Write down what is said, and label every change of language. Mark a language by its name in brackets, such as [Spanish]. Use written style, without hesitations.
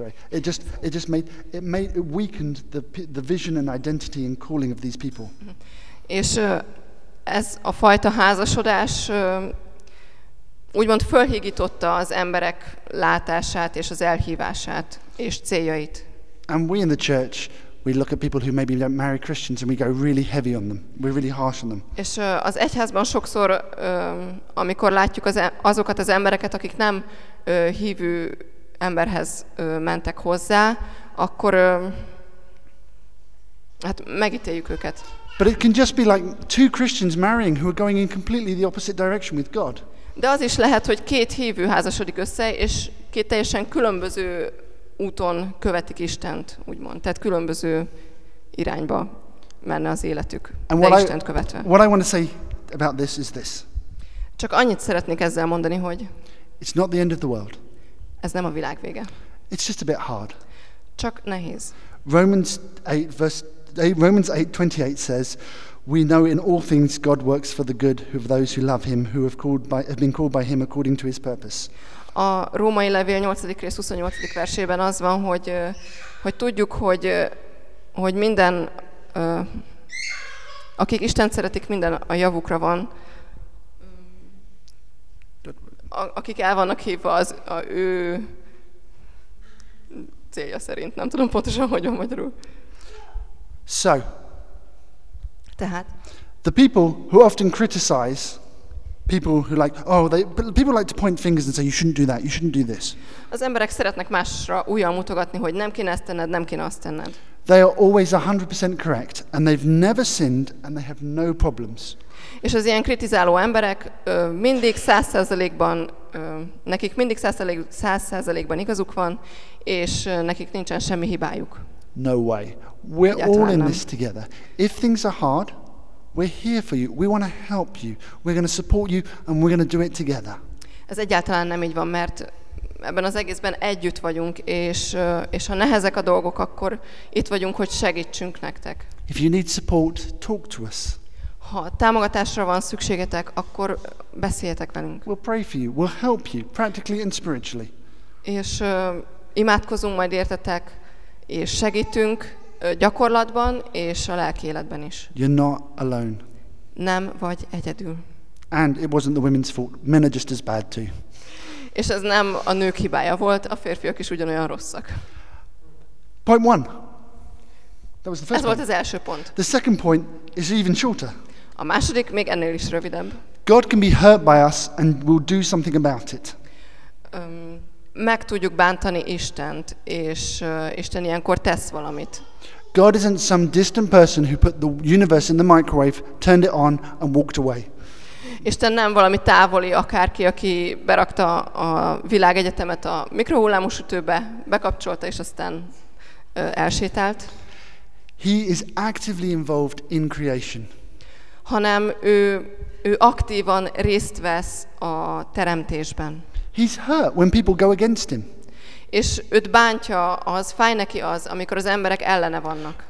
[English] It weakened the vision and identity and calling of these people. [Hungarian] És ez a fajta házasodás úgymond fölhigította az emberek látását és az elhívását és céljait. [English] And we in the church, we look at people who maybe don't marry Christians and we go really heavy on them. We're really harsh on them. [Hungarian] És az egyházban sokszor, amikor látjuk azokat az embereket, akik nem hívő emberhez mentek hozzá, akkor Hát megítéljük őket. [English] But it can just be like two Christians marrying who are going in completely the opposite direction with God. [Hungarian] De az is lehet, hogy két hívő házasodik össze, és két teljesen különböző úton követik Istent, úgymond. Tehát különböző irányba menne az életük, [English] and [Hungarian] de Istent követve. [English] What I want to say about this is this. [Hungarian] Csak annyit szeretnék ezzel mondani, hogy [English] it's not the end of the world. [Hungarian] Ez nem a világ vége. [English] It's just a bit hard. [Hungarian] Csak nehéz. [English] Romans 8:28 says, we know in all things God works for the good of those who love him, who have been called by him according to his purpose. [Hungarian] A Római levél 8. rész 28. versében az van, hogy tudjuk, hogy minden akik Istent szeretik, minden a javukra van. Akik el vannak hívva az a ő célja szerint, nem tudom pontosan, hogy van magyarul. [English] So. [Hungarian] Tehát [English] the people who often criticize people who like people like to point fingers and say you shouldn't do that, you shouldn't do this. [Hungarian] Az emberek szeretnek másra ujjal mutogatni, hogy nem kéne ezt tenned, nem kéne azt tenned. [English] They are always 100% correct and they've never sinned and they have no problems. [Hungarian] És az ilyen kritizáló emberek mindig 100%-ban nekik mindig 100%-ban igazuk van, és nekik nincsen semmi hibájuk. [English] No way. We're all in this together. If things are hard, we're here for you. We want to help you. We're going to support you and we're going to do it together. [Hungarian] Ez egyáltalán nem így van, mert ebben az egészben együtt vagyunk, és ha nehezek a dolgok, akkor itt vagyunk, hogy segítsünk nektek. [English] If you need support, talk to us. [Hungarian] Ha támogatásra van szükségetek, akkor beszéljetek velünk. [English] We'll pray for you. We'll help you practically and spiritually. [Hungarian] És imádkozunk majd értetek, és segítünk gyakorlatban és a lelki életben is. [English] You're not alone. [Hungarian] Nem vagy egyedül. [English] And it wasn't the women's fault. Men are just as bad too. [Hungarian] És ez nem a nők hibája volt, a férfiak is ugyanolyan rosszak. [English] Point one. That was the first [Hungarian] ez [English] point. [Hungarian] Volt az első pont. [English] The second point is even shorter. [Hungarian] A második még ennél is rövidebb. [English] God can be hurt by us and will do something about it. [Hungarian] Meg tudjuk bántani Istent, és Isten ilyenkor tesz valamit. [English] God isn't some distant person who put the universe in the microwave, turned it on and walked away. [Hungarian] Isten nem valami távoli akárki, aki berakta a világegyetemet a mikrohullámú sütőbe, bekapcsolta és aztán elsétált. [English] He is actively involved in creation. [Hungarian] Hanem ő aktívan részt vesz a teremtésben. [English] He's hurt when people go against him. [Hungarian] És őt bántja az, fáj neki az, amikor az emberek ellene vannak.